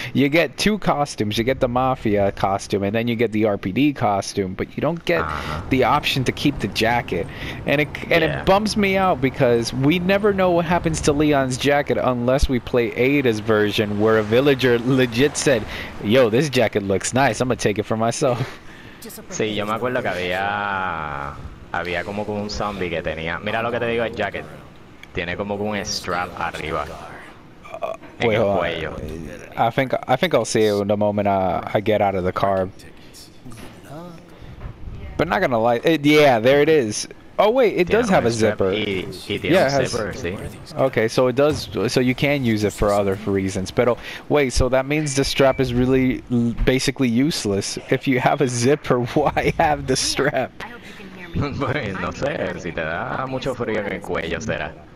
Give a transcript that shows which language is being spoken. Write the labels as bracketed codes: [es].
[en] You get two costumes. You get the Mafia costume, and then you get the RPD costume. But you don't get the option to keep the jacket. And it bumps me out, because we never know what happens to Leon's jacket unless we play Ada's version, where a villager legit said, yo, this jacket looks nice. I'm going to take it for myself. [es] Sí, yo me acuerdo que había como un zombie que tenía. Mira lo que te digo, el jacket. Tiene como un strap arriba. En el cuello. [en] I think I'll see it in the moment I get out of the car. But not gonna lie. There it is. Oh, wait, it does have a zipper. Okay, so it does. So you can use it for other reasons. But wait, so that means the strap is really basically useless. If you have a zipper, why have the strap? [es] No sé, si te da mucho frío en el cuello, será.